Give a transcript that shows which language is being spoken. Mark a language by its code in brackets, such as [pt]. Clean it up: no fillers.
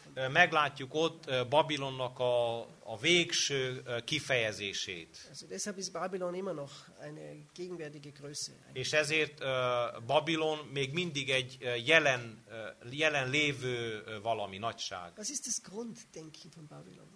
[hu] Meglátjuk ott Babilonnak a végső kifejezését. [de] Also deshalb ist Babylon immer noch eine gegenwärtige Größe. [hu] És ezért Babylon még mindig egy jelen lévő valami nagyság. [de] Was ist das Grunddenken von Babylon?